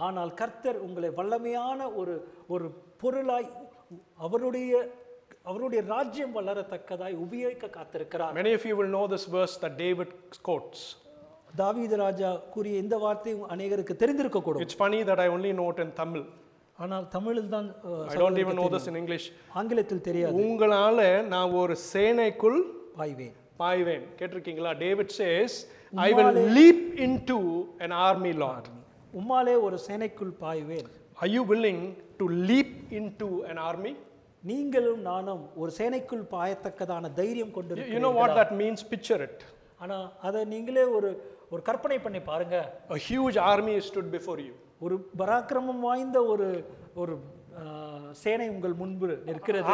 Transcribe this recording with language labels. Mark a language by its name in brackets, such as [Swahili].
[Tamil] ஆனால் கர்த்தர் உங்களை வல்லமையான ஒரு ஒரு பொருளாய் அவருடைய ராஜ்யம் வளரத்தக்கதாய் உபயோகிக்க காத்திருக்கிறார். [English] Many of you will know this verse that David quotes. [Tamil] தாவீது ராஜா கூறிய இந்த வார்த்தை அநேகருக்கு தெரிந்திருக்க கூடும். [English] It's funny that I only know it in Tamil. [Tamil] ஆனால் தமிழில் தான். [English] I don't even know this in English. [Tamil] ஆங்கிலத்தில் தெரியாது. உங்களால நான் ஒரு சேனைக்குள் பாய்வேன். பாய்வேன் கேட்டிருக்கீங்களா? [English] David says, I will leap into an army, Lord. [Tamil] உம்மாலே ஒரு சேனைக்குள் பாய்வேன். [English] Are you willing to leap into an army? [Tamil] நீங்களும் நானும் ஒரு சேனைக்குள் பாயத்தக்கதான தைரியம் கொண்டிருக்கிறோம். [English] You know what that means? Picture it. [Tamil] ஆனால் அதை நீங்களே ஒரு ஒரு கற்பனை பண்ணி பாருங்க. [English] A huge army is stood before you. [Tamil] ஒரு பராக்கிரமம் வாய்ந்த ஒரு ஒரு சேனை உங்கள் முன்பு நிற்கிறது.